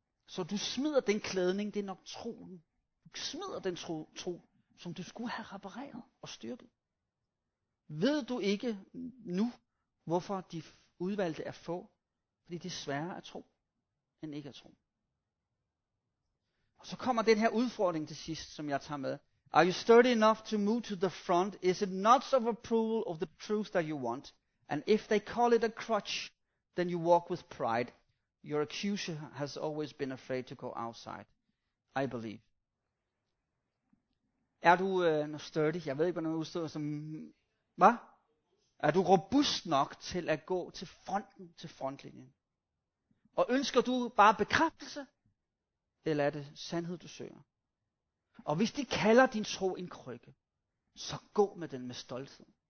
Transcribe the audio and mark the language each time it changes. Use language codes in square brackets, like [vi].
[da] Så du smider den klædning, det er nok troen. Du smider den tro, som du skulle have repareret og styrket. Ved du ikke nu, hvorfor de udvalgte er få? Fordi det er sværere at tro, end ikke at tro. Og så kommer den her udfordring til sidst, som jeg tager med. [en] Are you sturdy enough to move to the front? Is it nods of approval of the truth that you want? And if they call it a crutch, then you walk with pride. Your accuser has always been afraid to go outside. I believe. [da] Er du sturdy? Jeg ved ikke, hvordan du står som... Hvad? Er du robust nok til at gå til fronten, til frontlinjen? Og ønsker du bare bekræftelse? Eller er det sandhed, du søger? Og hvis de kalder din tro en krykke, så gå med den med stolthed.